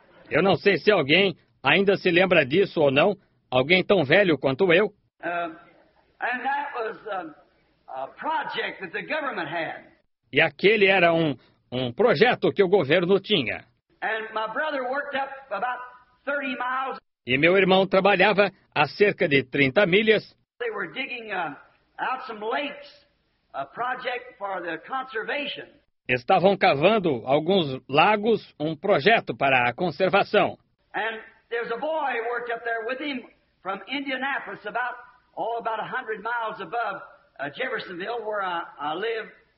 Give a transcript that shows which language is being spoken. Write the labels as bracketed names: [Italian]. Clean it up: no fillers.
[Portuguese] Eu não sei se alguém ainda se lembra disso ou não, alguém tão velho quanto eu. [English] And that was a project that the government had. [Portuguese] E aquele era um projeto que o governo tinha. [English] And my brother worked up about 30 miles. [Portuguese] E meu irmão trabalhava a cerca de 30 milhas. [English] They were digging out some lakes, a project for the conservation. [Portuguese] Estavam cavando alguns lagos, um projeto para a conservação. [English] And there's a boy who worked up there with him from Indianapolis, about 100 miles above Jeffersonville, where I live.